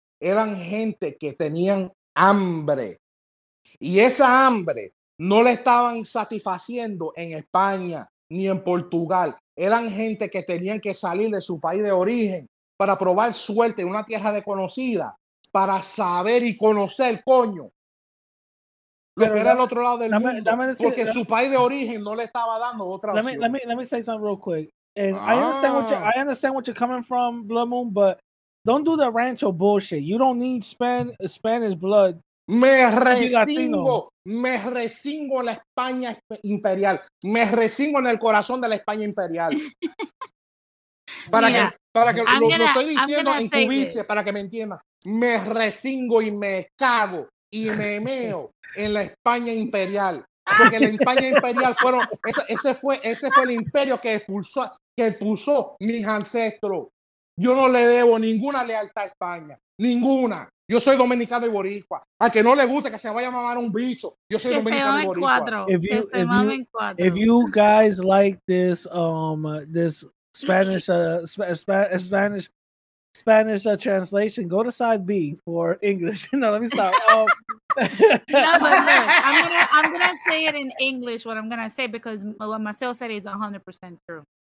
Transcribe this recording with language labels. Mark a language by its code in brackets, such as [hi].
[es] Eran gente que tenían hambre. Y esa hambre no la estaban satisfaciendo en España ni en Portugal. Eran gente que tenían que salir de su país de origen para probar suerte en una tierra desconocida, para saber y conocer, coño, lo que era el otro lado del mundo, porque su país de origen no le estaba dando otra opción. [en] Let me say something real quick. I understand what you're coming from, Blood Moon, but don't do the rancho bullshit. You don't need Spanish blood. [es] Me resingo en la España imperial. Me resingo en el corazón de la España imperial. para, que, Para que lo, gonna, lo estoy diciendo en cubiche, para que me entienda. Me resingo y me cago y me meo en la España imperial. Porque la España imperial fueron, ese fue el imperio que expulsó mis ancestros. Yo no le debo ninguna lealtad a España, ninguna. Yo soy dominicano y boricua. A que no le guste que se vaya a mamar un bicho, yo soy dominicano y boricua. [en] If you guys like this, this Spanish, Spanish translation, go to side B for English. No, let me stop. I'm gonna say it in English, what I'm gonna say, because what Marcel said is 100% true.